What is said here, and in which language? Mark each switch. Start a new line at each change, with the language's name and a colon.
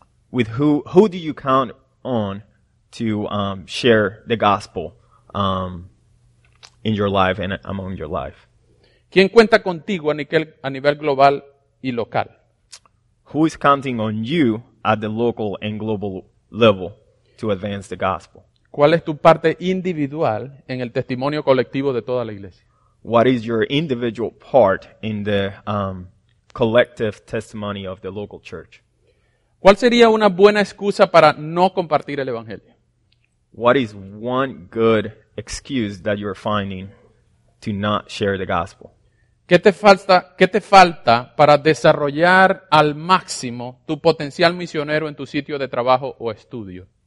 English: With who do you count on to share the gospel in your life and among your life?
Spanish: ¿Quién cuenta contigo a nivel global y local?
English: Who is counting on you at the local and global level to advance the gospel?
Spanish: ¿Cuál es tu parte individual en el testimonio colectivo de toda la iglesia?
English: What is your individual part in the collective testimony of the local church?
Spanish: ¿Cuál sería una buena excusa para no compartir el evangelio?
English: What is one good excuse that you're finding to not share the gospel?
Spanish: ¿Qué te falta para desarrollar al máximo tu potencial misionero en tu sitio de trabajo o estudio?